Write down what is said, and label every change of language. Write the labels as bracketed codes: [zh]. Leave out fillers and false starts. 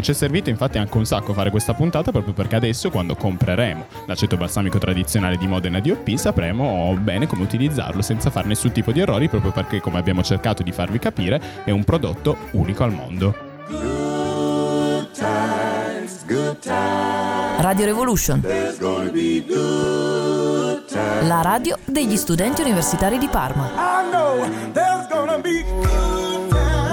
[it] Ci è servito infatti anche un sacco fare questa puntata, proprio perché adesso, quando compreremo l'aceto balsamico tradizionale di Modena DOP, sapremo bene come utilizzarlo senza fare nessun tipo di errori, proprio perché, come abbiamo cercato di farvi capire, è un prodotto unico al mondo. [en] Good times, good times. Radio Revolution. There's gonna be good times. [it] La radio degli studenti universitari di Parma. [en] I know there's gonna be good times.